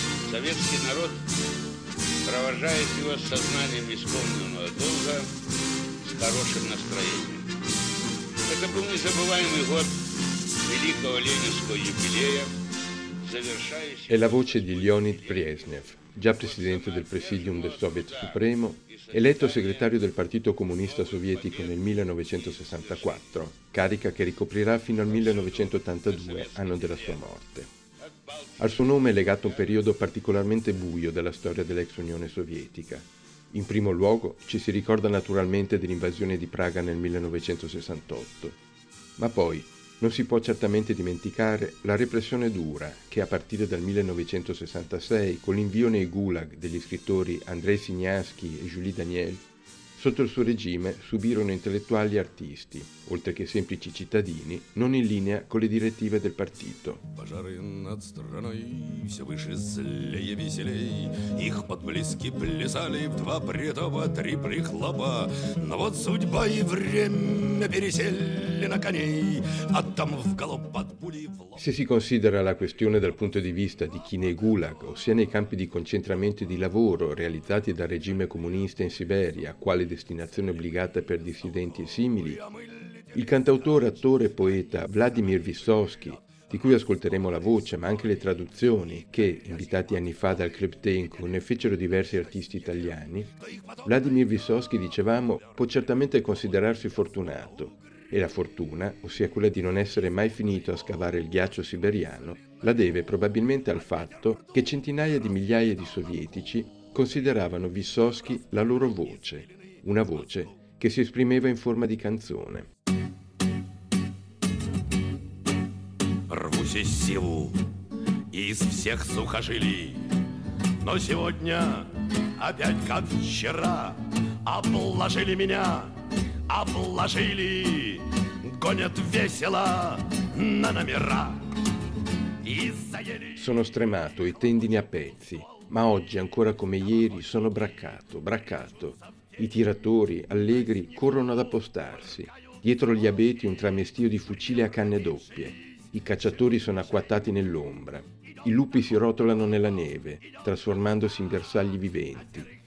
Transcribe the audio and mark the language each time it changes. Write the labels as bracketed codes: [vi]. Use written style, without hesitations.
[ru] Советский народ провожает его с сознанием исполненного долга, с хорошим настроением. Это был незабываемый год великого ленинского юбилея, завершающий... [it] È la voce di Леонид Брежнев, già presidente del Presidium del Soviet Supremo, eletto segretario del Partito Comunista Sovietico nel 1964, carica che ricoprirà fino al 1982, anno della sua morte. Al suo nome è legato un periodo particolarmente buio della storia dell'ex Unione Sovietica. In primo luogo ci si ricorda naturalmente dell'invasione di Praga nel 1968. Ma poi non si può certamente dimenticare la repressione dura che a partire dal 1966, con l'invio nei gulag degli scrittori Andrei Sinyavsky e Julie Daniel, sotto il suo regime subirono intellettuali e artisti, oltre che semplici cittadini, non in linea con le direttive del partito. [ru] Пожары над страной все выше, злее, веселей. Их под близки плясали в два притопа, три прихлопа. Но вот судьба и время пересели на коней, а там в галоп под пули в лоб. [it] Se si considera la questione dal punto di vista di chi nei gulag, ossia nei campi di concentramento di lavoro realizzati dal regime comunista in Siberia, quale destinazione obbligata per dissidenti e simili, il cantautore, attore e poeta Vladimir Vysotsky, di cui ascolteremo la voce ma anche le traduzioni, che, invitati anni fa dal Kryptenko, ne fecero diversi artisti italiani, Vladimir Vysotsky, dicevamo, può certamente considerarsi fortunato, e la fortuna, ossia quella di non essere mai finito a scavare il ghiaccio siberiano, la deve probabilmente al fatto che centinaia di migliaia di sovietici consideravano Vysotsky la loro voce, una voce che si esprimeva in forma di canzone. [ru] Рвусь из сил, из всех сухожилий, но сегодня опять как вчера обложили меня, обложили, гонят весело на номера. [it] Sono stremato, i tendini a pezzi. Ma oggi, ancora come ieri, sono braccato, braccato. I tiratori, allegri, corrono ad appostarsi. Dietro gli abeti un tramestio di fucile a canne doppie. I cacciatori sono acquattati nell'ombra. I lupi si rotolano nella neve, trasformandosi in bersagli viventi.